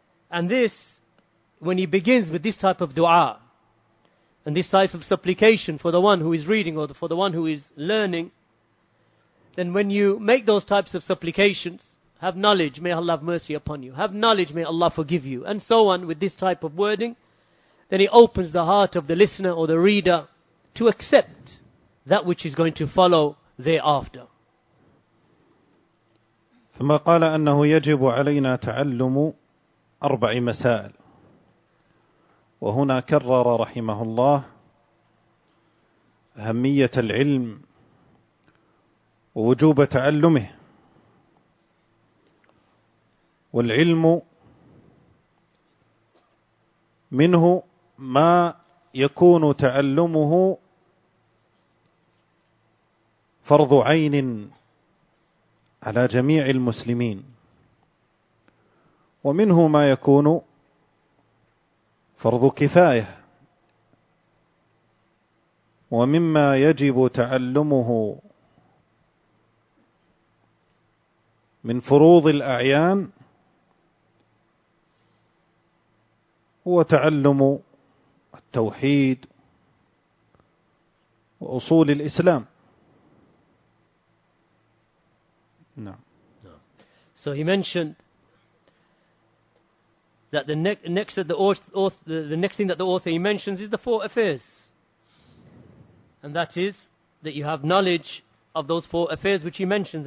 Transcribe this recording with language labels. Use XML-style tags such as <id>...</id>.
<en>And this, when he begins with this type of dua, and this type of supplication for the one who is reading or for the one who is learning, then when you make those types of supplications, have knowledge, may Allah have mercy upon you, have knowledge, may Allah forgive you, and so on with this type of wording, then it opens the heart of the listener or the reader to accept that which is going to follow thereafter.</en> <ar>ثم قال أنه يجب علينا تعلم أربع مسائل. وهنا كرر رحمه الله أهمية العلم ووجوب تعلمه. والعلم منه ما يكون تعلمه فرض عين على جميع المسلمين، ومنه ما يكون فرض كفاية، ومما يجب تعلمه من فروض الأعيان هو تعلم التوحيد وأصول الإسلام. نعم.</ar> <en>So he mentioned that the next thing that the author he mentions is the four affairs, and that is that you have knowledge of those four affairs which he mentions.</en>